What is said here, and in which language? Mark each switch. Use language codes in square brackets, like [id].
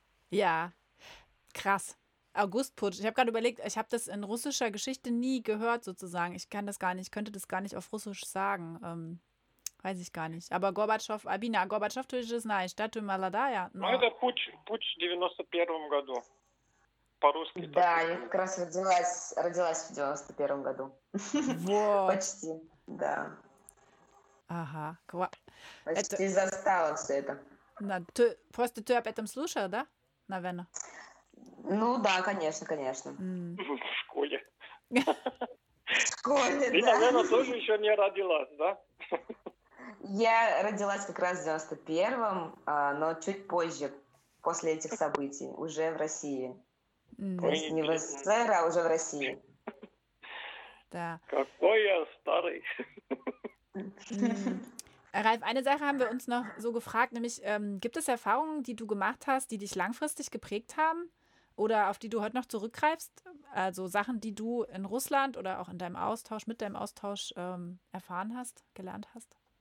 [de] Ja, krass. Augustputsch. Ich habe gerade überlegt, ich habe das in russischer Geschichte nie gehört sozusagen. Ich kann das gar nicht, ich könnte das gar nicht auf Russisch sagen. Weiß ich gar nicht. Aber Gorbatschow, Albina, Gorbatschow, du bist es nein, Stadt und Maladaya. [ru] Это путч в 91-м году. По-русски. Да, я как раз родилась в 91-м году. Вот. Почти, да. Ага. Почти застала все это. Просто ты об этом слушала, да? Наверное. Ну да, конечно, конечно. В школе. В школе, да. И, наверное, тоже еще не родилась, да? Я родилась как раз в 91-м, но чуть позже, после этих событий, уже в России. То есть не в СССР, а уже в России. Да. Какой я старый. [de] Ralf, eine Sache haben wir uns noch so gefragt, nämlich gibt es Erfahrungen, die du gemacht hast, die dich langfristig geprägt haben oder auf die du heute noch zurückgreifst? Also Sachen, die du in Russland oder auch in deinem Austausch, mit deinem Austausch erfahren hast, gelernt hast?